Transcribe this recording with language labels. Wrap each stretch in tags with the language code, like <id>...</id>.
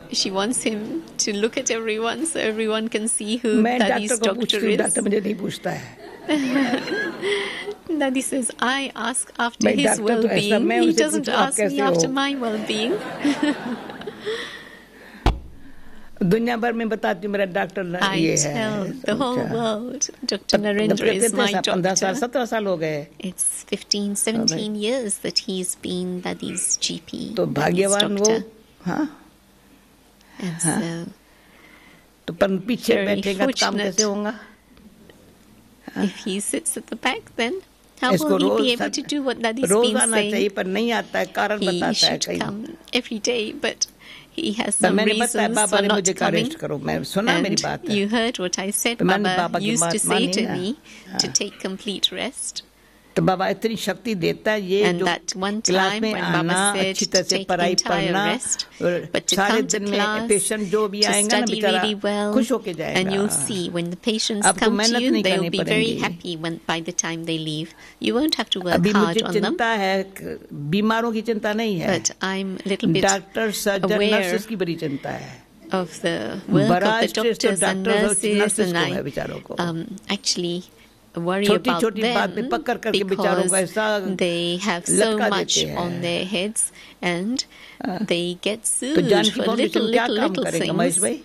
<en>She wants him to look at everyone so everyone can see who Daddy's doctor is.</en> <hi>Doctor मुझे नहीं पूछता है.</hi> <en>Daddy says, I ask after his well-being. He doesn't ask me after my well-being.</en> <hi>दुनिया भर में बताती हूँ मेरा डॉक्टर ये है.</hi> <en>The whole world, Dr. Narendra is my doctor.</en> <hi>15-17 साल हो गए.</hi> <en>It's 15-17 years that he's been Daddy's GP.</en> <hi>तो भाग्यवान वो. हाँ.</hi> <en>And so,</en> <hi>तो पीछे बैठेगा काम कैसे होगा?</hi> <en>If he sits at the back, then how will he be able to do what Daddy's been saying?</en> <hi>रोज आना चाहिए पर नहीं आता है, कारण बताता है.</hi> <en>He should come every day, but he has some reasons for not coming. And you heard what I said. Baba used to say to me to take complete rest.</en> <hi>तो बाबा इतनी शक्ति देता है ये जो क्लास में आना, अच्छी तरह से पढ़ाई पढ़ना, सारे दिन में पेशेंट जो भी आएगा ना बेचारा खुश होके जाएगा.</hi> <en>And you'll see when the patients come to you, they'll be very happy when by the time they leave. You won't have to work hard on them.</en> <hi>अभी मुझे चिंता है, बीमारों की चिंता नहीं है.</hi> <en>But I'm a little bit</en> <hi>doctor surgeon nurses की बड़ी चिंता है.</hi> <en>Of the work of the doctors and nurses and I actually worry about them because they have so much on their heads and they get sued for little things.</en>